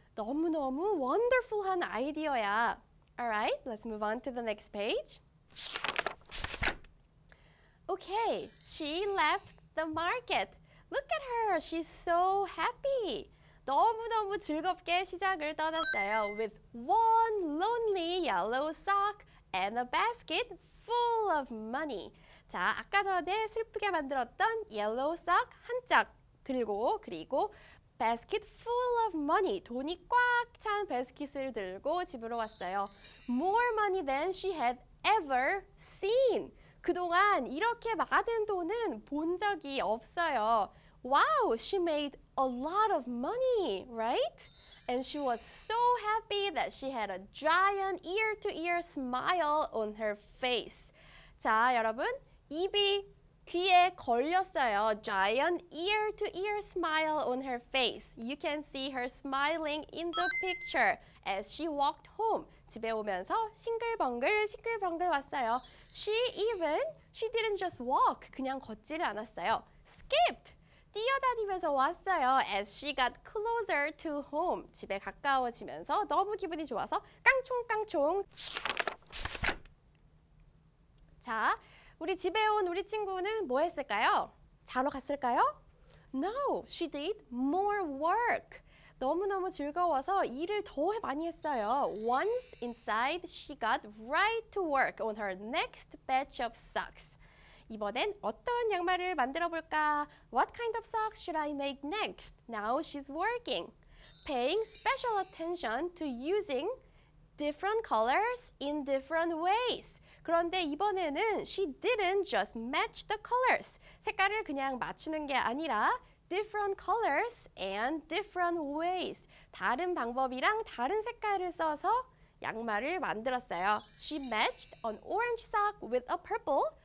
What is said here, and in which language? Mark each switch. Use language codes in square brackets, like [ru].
[ko] 너무너무 wonderful한 아이디어야. [en] Alright, let's move on to the next page. Okay, she left the market. Look at her, she's so happy. [ko] 너무너무 즐겁게 시장을 떠났어요. [en] With one lonely yellow sock and a basket full of money. [ko] 자, 아까 전에 슬프게 만들었던 yellow sock 한 짝 들고 그리고 [en] basket full of money, [ko] 돈이 꽉 찬 basket을 들고 집으로 왔어요. [en] More money than she had ever seen. [ko] 그동안 이렇게 많은 돈은 본 적이 없어요. [en] Wow, she made a lot of money, right? And she was so happy that she had a giant ear-to-ear smile on her face. [ko] 자, 여러분, 입이 귀에 걸렸어요. [en] Giant ear-to-ear smile on her face. You can see her smiling in the picture as she walked home. [ko] 집에 오면서 싱글벙글, 싱글벙글 왔어요. [en] She didn't just walk. [ko] 그냥 걷지를 않았어요. [en] Skipped. [ko] 뛰어다니면서 왔어요. [en] As she got closer to home. [ko] 집에 가까워지면서 너무 기분이 좋아서 깡총깡총. 자, 우리 집에 온 우리 친구는 뭐 했을까요? 자러 갔을까요? [en] No, she did more work. [ko] 너무너무 즐거워서 일을 더 많이 했어요. [en] Once inside, she got right to work on her next batch of socks. [ko] 이번엔 어떤 양말을 만들어 볼까? [en] What kind of socks should I make next? Now she's working. Paying special attention to using different colors in different ways. [ko] 그런데 이번에는 [en] she didn't just match the colors. [ko] 색깔을 그냥 맞추는 게 아니라 [en] different colors and different ways. [ko] 다른 방법이랑 다른 색깔을 써서 양말을 만들었어요. [en] She matched an orange sock with a purple.